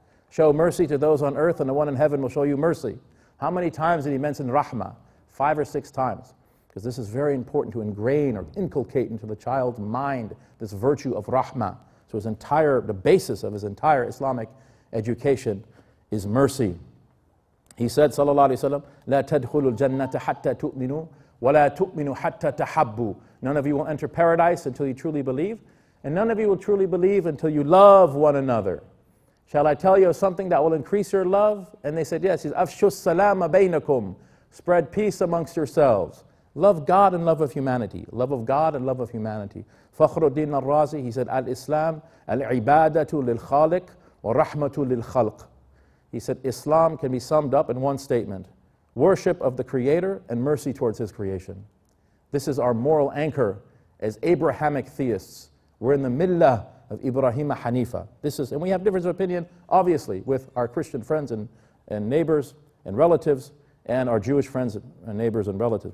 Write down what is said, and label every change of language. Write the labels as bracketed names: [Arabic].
[English] Show mercy to those on earth, and the one in heaven will show you mercy. How many times did he mention rahmah? 5 or 6 times. Because this is very important to ingrain or inculcate into the child's mind this virtue of rahmah. So his entire, the basis of his entire Islamic education is mercy. He said, [Arabic] sallallahu alayhi wa sallam, لا تدخلوا الجنة حتى تؤمنوا ولا تؤمنوا حتى تحبوا. [English] None of you will enter paradise until you truly believe, and none of you will truly believe until you love one another. Shall I tell you something that will increase your love? And they said, yes. He said, [Arabic] أفشوا السلام بينكم. [English] Spread peace amongst yourselves. Love God and love of humanity. Love of God and love of humanity. [Arabic] فخر الدين الرازي, [English] he said, [Arabic] الإسلام العبادة للخالق ورحمة للخلق. [English] He said, Islam can be summed up in one statement. Worship of the Creator and mercy towards His creation. This is our moral anchor as Abrahamic theists. We're in the millah of Ibrahim Hanifa. This is, and we have difference of opinion, obviously, with our Christian friends and neighbors and relatives, and our Jewish friends and neighbors and relatives.